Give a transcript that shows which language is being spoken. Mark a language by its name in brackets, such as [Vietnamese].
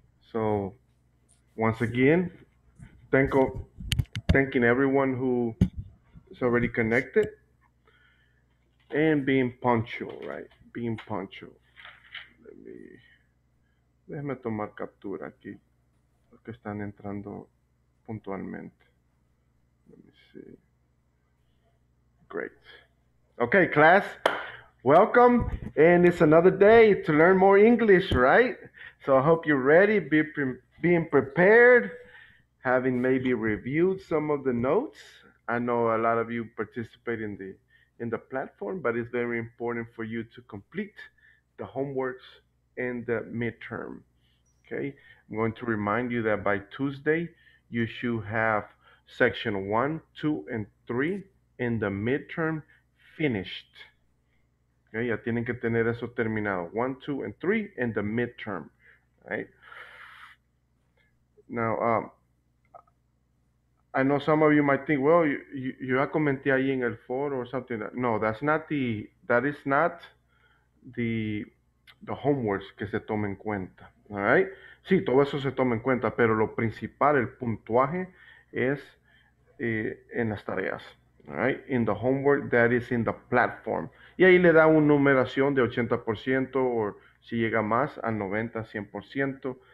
[English] So once again, thanking everyone who is already connected and being punctual, right? Being punctual. [Spanish] Déjeme tomar captura aquí, los que están entrando puntualmente. [English] Let me see. Great. Okay, class, welcome, and it's another day to learn more English, right? So I hope you're ready, being prepared, having maybe reviewed some of the notes. I know a lot of you participate in the platform, but it's very important for you to complete the homeworks and the midterm, okay? I'm going to remind you that by Tuesday, you should have section 1, 2, and 3 in the midterm finished. Okay, [Spanish] ya tienen que tener eso terminado. [English] 1, 2, and 3 in the midterm, right? Now, I know some of you might think, well, you [Spanish] comenté ahí en el foro [English] or something. No, that's not the homeworks [Spanish] que se toma en cuenta, [English] all right? [Spanish] Sí, todo eso se toma en cuenta, pero lo principal, el puntuaje, es en las tareas. [English] All right, in the homework that is in the platform. [Spanish] Y ahí le da una numeración de 80% o si llega más a 90, 100%.